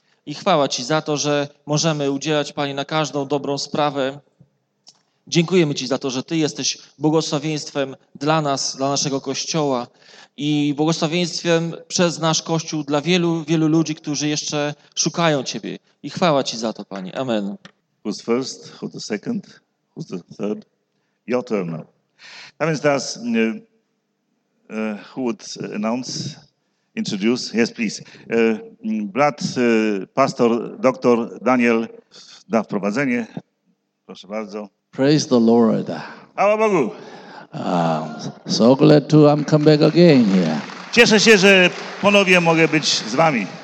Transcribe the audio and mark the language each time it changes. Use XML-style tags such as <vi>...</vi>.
<pl>I chwała Ci za to, że możemy udzielać, Panie, na każdą dobrą sprawę. Dziękujemy Ci za to, że Ty jesteś błogosławieństwem dla nas, dla naszego Kościoła i błogosławieństwem przez nasz Kościół dla wielu, wielu ludzi, którzy jeszcze szukają Ciebie. I chwała Ci za to, Panie. Amen.</pl> <en>Who's first, who's the second, who's the third? Your turn now.</en> <pl>A więc teraz,</pl> <en>who would announce, introduce? Yes, please.</en> <pl>Brat, pastor, doktor Daniel da wprowadzenie. Proszę bardzo.</pl> <en>Praise the Lord.</en> <pl>Chwała Bogu.</pl> <en>So glad to come back again here.</en> <pl>Cieszę się, że ponownie mogę być z wami.</pl>